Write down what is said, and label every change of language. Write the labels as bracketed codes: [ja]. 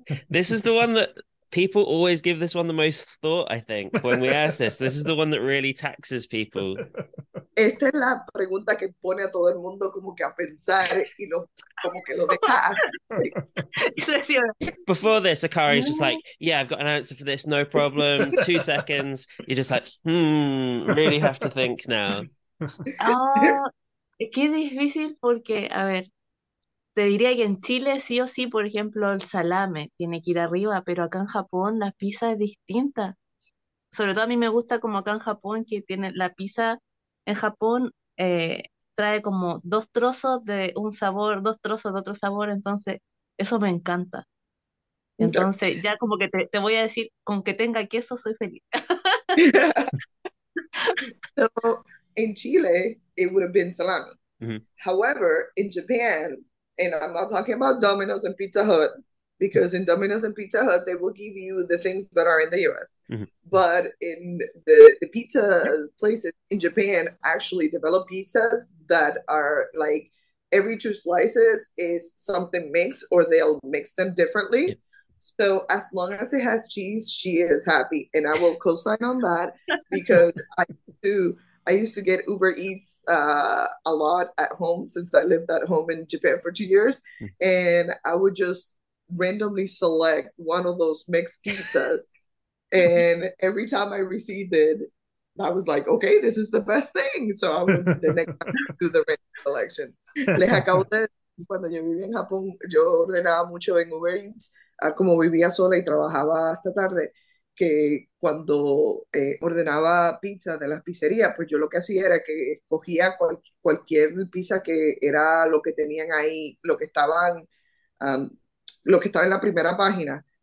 [en] This is the one that people always give this one the most thought, I think, when we ask this. This is the one that really taxes people. [es] Esta es la pregunta que pone a todo el mundo como que a pensar y lo como que lo deja así. [en] Before this, Akari is just like, yeah, I've got an answer for this, no problem. 2 seconds. You're just like, really have to think now. [es] Ah, es que es difícil porque, a ver, Te diría que en Chile sí o sí, por ejemplo, el salame tiene que ir arriba, pero acá en Japón la pizza es distinta. Sobre todo a mí me gusta como acá en Japón, que tiene la pizza en Japón, trae como dos trozos de un sabor, dos trozos de otro sabor, entonces eso me encanta. Entonces ya como que te voy a decir, con que tenga queso soy feliz. [en] So in Chile, it would have been salami. However, in Japan, and I'm not talking about Domino's and Pizza Hut, because in Domino's and Pizza Hut, they will give you the things that are in the US. But in the pizza places in Japan actually develop pizzas that are like every two slices is something mixed, or they'll mix them differently. So as long as it has cheese, she is happy, and I will co-sign on that because I used to get Uber Eats a lot at home since I lived at home in Japan for 2 years, and I would just randomly select one of those mixed pizzas, and every time I received it, I was like, okay, this is the best thing. So I would the next time do the random selection. [es] Les acabo de cuando yo vivía en Japón, yo ordenaba mucho en Uber Eats. Como vivía sola y trabajaba hasta tarde, que cuando ordenaba pizza de las pizzerías, pues yo lo que hacía era que escogía cualquier pizza que era lo que tenían ahí, lo que estaba en la primera página.